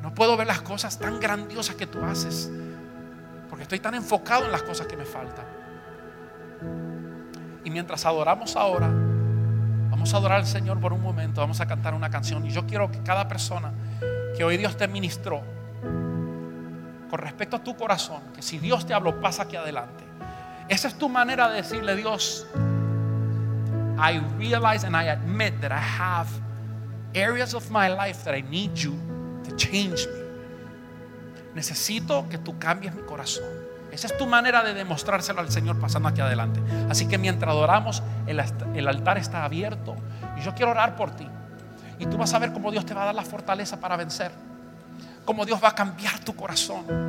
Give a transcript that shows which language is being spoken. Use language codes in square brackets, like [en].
[es] No puedo ver las cosas tan grandiosas que tú haces, porque estoy tan enfocado en las cosas que me faltan. Y mientras adoramos ahora, vamos a adorar al Señor por un momento, vamos a cantar una canción. Y yo quiero que cada persona que hoy Dios te ministró, con respecto a tu corazón, que si Dios te habló, pasa aquí adelante. Esa es tu manera de decirle: Dios, [en] I realize and I admit that I have areas of my life that I need you. Change me. [es] Necesito que tú cambies mi corazón. Esa es tu manera de demostrárselo al Señor, pasando aquí adelante. Así que mientras adoramos, el altar está abierto y yo quiero orar por ti. y tú vas a ver cómo Dios te va a dar la fortaleza para vencer, cómo Dios va a cambiar tu corazón.